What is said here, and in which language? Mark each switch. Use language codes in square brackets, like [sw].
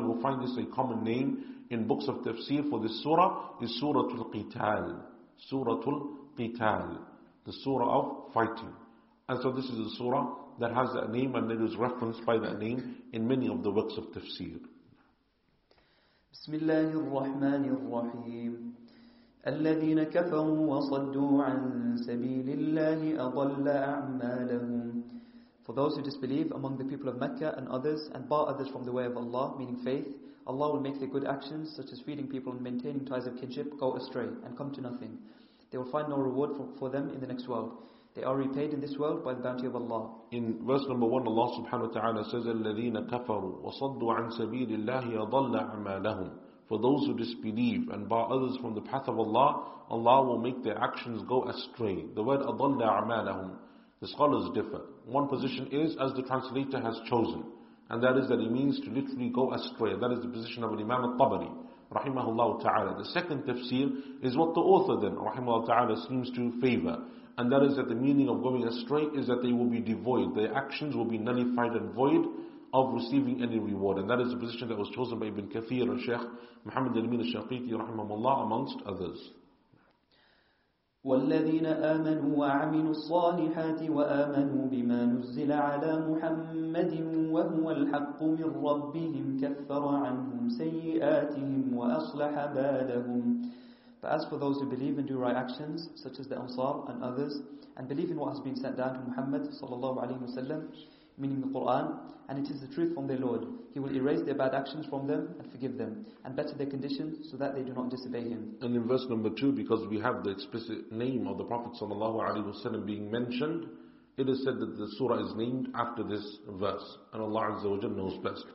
[en] You will find this a common name in books of Tafsir for this surah, is Suratul Qital. Suratul Qital, the surah of fighting. And so this is the surah that has that name, and it is referenced by that name in many of the works of tafsir. [ar] بسم الله الرحمن الرحيم الذين كفروا وصدوا عن سبيل الله أضل أعمالهم. [en] For those who disbelieve among the people of Mecca and others, and bar others from the way of Allah, meaning faith, Allah will make their good actions, such as feeding people and maintaining ties of kinship, go astray and come to nothing. They will find no reward for them in the next world. They are repaid in this world by the bounty of Allah. In verse number 1, Allah subhanahu wa ta'ala says, [ar] الَّذِينَ كَفَرُوا وَصَدُّوا عَن سَبِيلِ اللَّهِ أَضَلَّ أَعْمَالَهُمْ. [en] For those who disbelieve and bar others from the path of Allah, Allah will make their actions go astray. The word [ar] أَضَلَّ أَعْمَالَهُمْ. [en] The scholars differ. One position is as the translator has chosen, and that is that it means to literally go astray. That is the position of Imam al-Tabari, rahimahullah ta'ala. The second tafsir is what the author then, rahimahullah ta'ala, seems to favor, and that is that the meaning of going astray is that they will be devoid, their actions will be nullified and void of receiving any reward. And that is the position that was chosen by Ibn Kathir and Shaykh Muhammad al-Amin al-Shaqiti, rahimahullah, amongst others. [ar] والذين آمنوا وعملوا الصالحات وآمنوا بما نزل على محمد وهو الحق من ربهم كفر عنهم سيئاتهم وأصلح بالهم. [en] But as for those who believe and do right actions, such as the Ansar and others, and believe in what has been sent down to Muhammad sallallahu alaihi wasallam, meaning the Quran, and it is the truth from their Lord, He will erase their bad actions from them and forgive them, and better their condition so that they do not disobey Him. And in verse number 2, because we have the explicit name of the Prophet sallallahu alaihi wasallam being mentioned, it is said that the surah is named after this verse, and Allah azza wa jalla knows best.